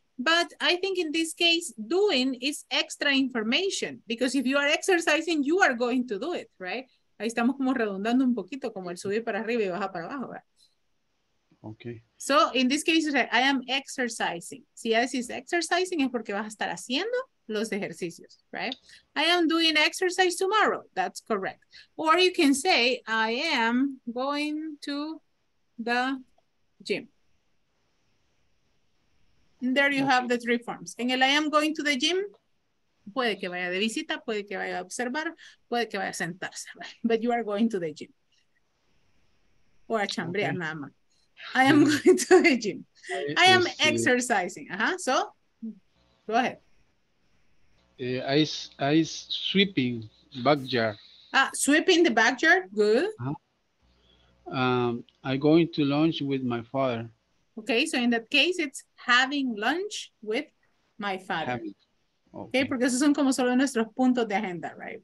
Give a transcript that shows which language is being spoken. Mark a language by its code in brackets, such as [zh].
[en] But I think in this case, doing is extra information. Because if you are exercising, you are going to do it, right? [es] Ahí estamos como redundando un poquito, como el subir para arriba y baja para abajo, ¿verdad? [en] Okay. So in this case, I am exercising. [es] Si ya decís exercising, es porque vas a estar haciendo los ejercicios, right? [en] I am doing exercise tomorrow. That's correct. Or you can say, I am going to the gym. And there you have the three forms. [es] En el [en] I am going to the gym, [es] puede que vaya de visita, puede que vaya a observar, puede que vaya a sentarse, right? [en] But you are going to the gym. Or [es] a chambrear, [en] okay. [es] Nada más. [en] I am going to the gym. I am exercising. Uh-huh. So, go ahead. I sweeping backyard. Ah, sweeping the backyard. Good. I going to lunch with my father. Okay, so in that case, it's having lunch with my father. [es] Okay, porque esos son como solo nuestros puntos de agenda, right?